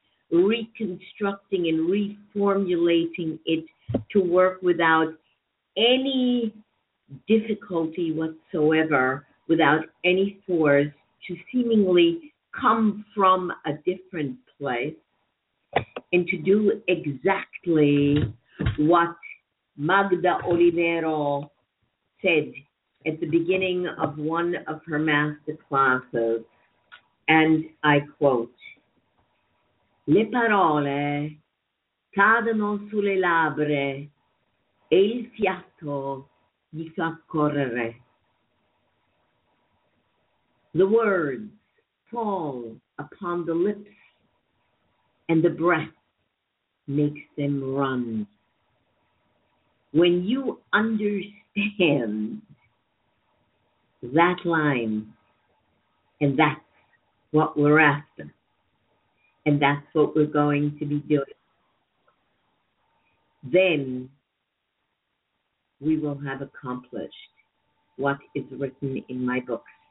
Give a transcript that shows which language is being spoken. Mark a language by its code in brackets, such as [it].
[en] reconstructing and reformulating it to work without any difficulty whatsoever, without any force to seemingly come from a different place, and to do exactly what Magda Olivero said at the beginning of one of her master classes. And I quote, [it] le parole cadono sulle labbra e il fiato gli fa correre. [en] The words fall upon the lips and the breath makes them run. When you understand that line, and that what we're after, and that's what we're going to be doing, then we will have accomplished what is written in my books.